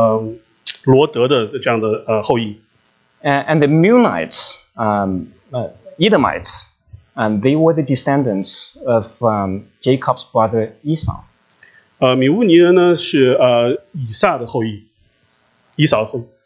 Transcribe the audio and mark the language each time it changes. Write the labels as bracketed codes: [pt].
[zh] 所以这些摩押人和亚门人是亚伯拉罕的这个侄子罗德的这样的后裔。 [en] And the Munites, Edomites, and they were the descendants of Jacob's brother Esau. [zh] 米乌尼人呢是以撒的后裔，以撒的后裔。